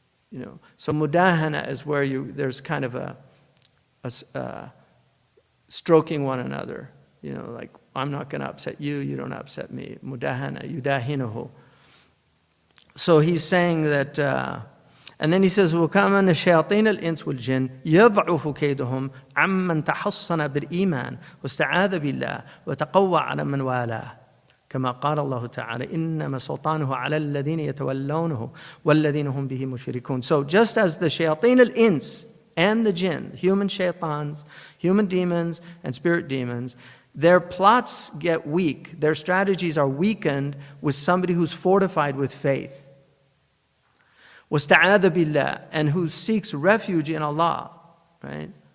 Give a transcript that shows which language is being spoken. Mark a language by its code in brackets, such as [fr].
[en] You know, so mudahana is where there's kind of a stroking one another. You know, like I'm not going to upset you, you don't upset me. [ar] Mudahana, yudahinuhu. [en] So he's saying that, and then he says, [ar] وَكَمَنَ الشَّيَاطِينَ الْإِنْسُ وَالْجِنِ يَضْعُهُ كَيْدُهُمْ عَمَّنْ تَحَصَّنَ بِالْإِيمَانِ وَاسْتَعَاذَ بِاللَّهِ وَتَقَوَّ عَلَى مَنْ وَالَاهِ كما قال الله تعالى إنما سلطانه على الذين يتولونه والذين هم به مشركون. [en] So just as the shayateen al-ins and the jinn, human shaytans, human demons and spirit demons, their plots get weak, their strategies are weakened with somebody who's fortified with faith. [ar] واستعاذ بالله, [en] and who seeks refuge in Allah, right?